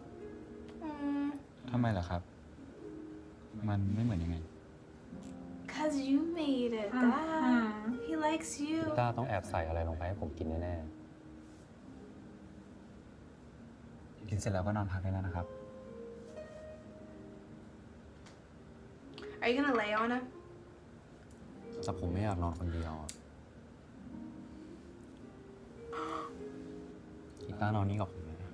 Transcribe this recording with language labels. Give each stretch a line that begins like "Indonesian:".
Thai: ๆทำไมล่ะครับมันไม่เหมือนยังไง
English: Cause you made it Dad He likes you
Thai: ต้าต้องแอบใส่อะไรลงไปให้ผมกินแน่แน่กินเสร็จแล้วก็นอนพักได้แล้วนะครับ
English: Are you gonna lay on him?
Thai: แต่ผมไม่อยากนอนคนเดียวกีต้านอนนี่กับผมไหม